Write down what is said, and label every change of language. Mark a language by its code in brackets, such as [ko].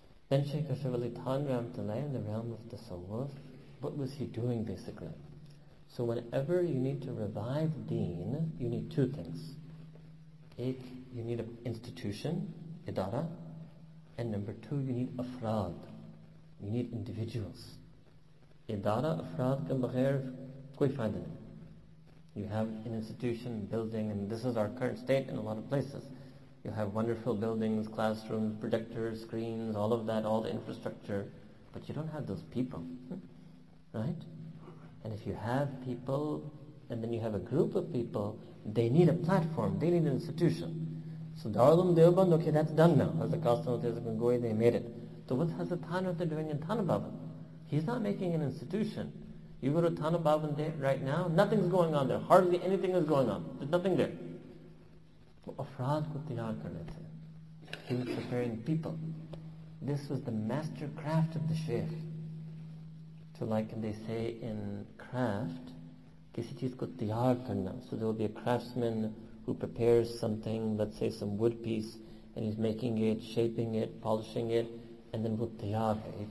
[en] Then Shaykh Ashraf Ali Thani Ramtaleh, in the realm of the Tasawwuf, what was he doing basically? So whenever you need to revive deen, you need two things. Ek, you need an institution, idara, and number two, you need afraad. You need individuals. [ur] ادارہ، افراد، کا بغیر، کوئی فائدہ نہیں۔ [en] You have an institution, building, and this is our current state in a lot of places. You have wonderful buildings, classrooms, projectors, screens, all of that, all the infrastructure, but you don't have those people, right? And if you have people, and then you have a group of people, they need a platform, they need an institution. So Darul Uloom Deoband, okay, that's done now. As the Qasim Hazrat Gangohi, they made it. So what has the Thanabhavan doing in Thanabhavan? He's not making an institution. You go to Thanabhavan right now, nothing's going on there. Hardly anything is going on. There's nothing there. [ur] افراد کو تیار کر رہے تھے۔ [en] He was preparing people. This was the master craft of the Shaykh. To, like they say in craft, [ur] کسی چیز کو تیار کرنا۔ [en] So there will be a craftsman who prepares something, let's say some wood piece, and he's making it, shaping it, polishing it, and then [ur] wo tiyar hai.